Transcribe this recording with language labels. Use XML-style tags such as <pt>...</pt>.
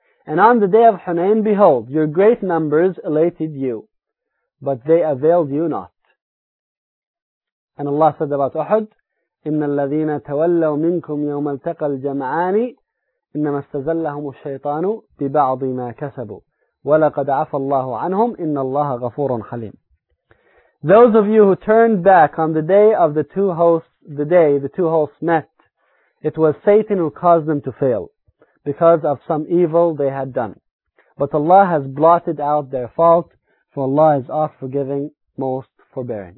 <en>And on the day of Hunayn, behold, your great numbers elated you, but they availed you not. And Allah said about Uhud,</en> <ar>إِنَّ الَّذِينَ تَوَلَّوْا مِنْكُمْ يَوْمَ الْتَقَى الْجَمْعَانِ إنما استزلهم الشيطان ببعض ما كسبوا ولقد عفى الله عنهم إن الله غفور حليم.</ar> <en>Those of you who turned back on the day of the two hosts, the day the two hosts met, it was Satan who caused them to fail because of some evil they had done. But Allah has blotted out their fault, for Allah is oft forgiving, most forbearing.</en>